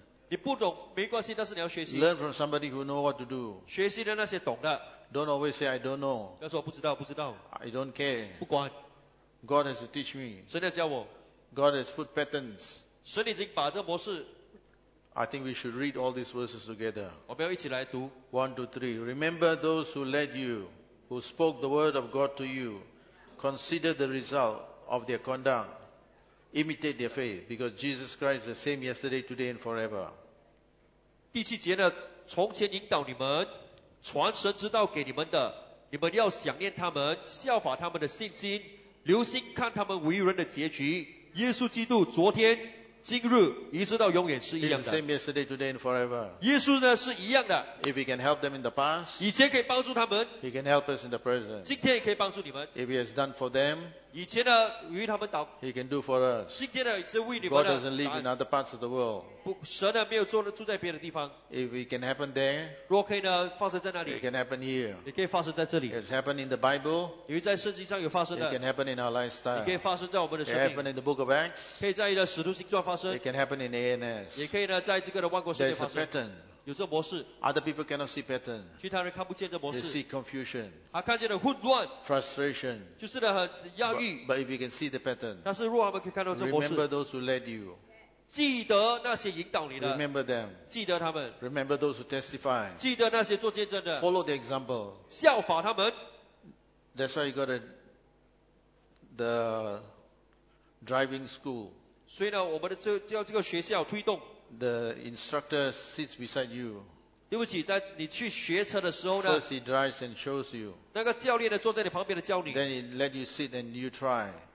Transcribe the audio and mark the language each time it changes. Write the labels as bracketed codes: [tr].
[zh] 你不懂, 没关系, 但是你要学习, [en] learn from somebody who knows what to do. [zh] 学习的那些懂的, [en] don't always say, I don't know. [zh] 告诉我不知道, 不知道, [en] I don't care. [zh] 不管, [en] God has to teach me. [zh] 神要教我, [en] God has put patterns. [zh] 神已经把这模式, [en] I think we should read all these verses together. [zh] 我们要一起来读, [en] 1, 2, 3. Remember those who led you, who spoke the word of God to you. Consider the result of their conduct. Imitate their faith, because Jesus Christ is the same yesterday, today, and forever. [zh] 第七节呢, 从前引导你们, 传神知道给你们的, 你们要想念他们, 效法他们的信心, 留心看他们为人的结局, 耶稣基督昨天, 今日一直到永远是一样的。 [en] Same yesterday, today, and forever. [zh] 耶稣呢是一样的。 [en] If he can help them in the past, [zh] 以前可以帮助他们, [en] he can help us in the present. [zh] 今天也可以帮助你们。 [en] If he has done for them, [zh] 以前呢与他们祷, [en] he can do for us. [zh] 今天呢是为你们的, [en] God doesn't live in other parts of the world. [zh] 神呢没有住在别的地方。 [en] If it can happen there, [zh] 若可以呢发生在那里, [en] it can happen here. [zh] 也可以发生在这里。 [en] It's happened in the Bible, [zh] 因为在圣经上有发生的。 [en] It can happen in our lifestyle, [zh] 也可以发生在我们的生命。 [en] It can happen in the book of Acts, [zh] 可以在使徒行传发生。 [en] It can happen in ANS, [zh] 也可以呢在这个的万国圣殿发生。 [en] There's a pattern. [zh] 有这模式, [en] other people cannot see pattern. [zh] 其他人看不见这模式, [en] they see confusion. [zh] 他看见了混乱, [en] frustration. [zh] 就是呢很压抑, [en] but if you can see the pattern, [zh] 但是若他们可以看到这模式, [en] remember those who led you, [zh] 记得那些引导你的, [en] remember them, [zh] 记得他们, [en] remember those who testify, [zh] 记得那些做见证的, [en] follow the example, [zh] 效法他们, [en] that's why you got a, the driving school. [zh] 所以呢我们的这个学校推动, [en] the instructor sits beside you. [zh] 对不起, 在你去学车的时候呢, [en] first he drives and shows you. [zh] 那个教练呢, [en] then he let you sit and you try.